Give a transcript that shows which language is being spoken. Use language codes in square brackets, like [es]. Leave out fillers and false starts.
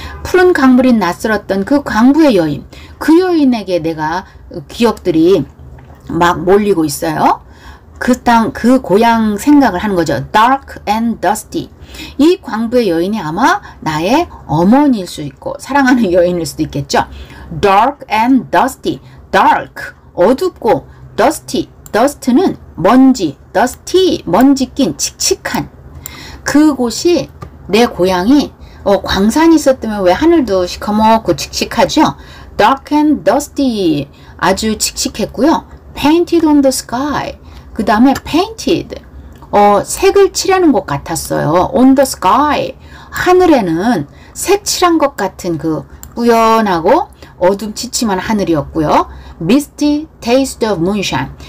[ko] 푸른 강물이 낯설었던 그 광부의 여인. 그 여인에게 내가 기억들이 막 몰리고 있어요. 그 땅, 그 고향 생각을 하는 거죠. [en] Dark and dusty. [ko] 이 광부의 여인이 아마 나의 어머니일 수 있고 사랑하는 여인일 수도 있겠죠. [en] Dark and dusty. Dark, 어둡고 dusty. [ko] Dust는 먼지, dusty, 먼지 낀 칙칙한. 그곳이 내 고향이 광산이 있었다면 왜 하늘도 시커멓고 칙칙하죠? [en] Dark and dusty, [ko] 아주 칙칙했고요. [en] Painted on the sky, [ko] 그 다음에 painted, 색을 칠하는 것 같았어요. [en] On the sky, [ko] 하늘에는 색 칠한 것 같은 그 뿌연하고 어둠 치침한 하늘이었고요. [en] Misty taste of moonshine.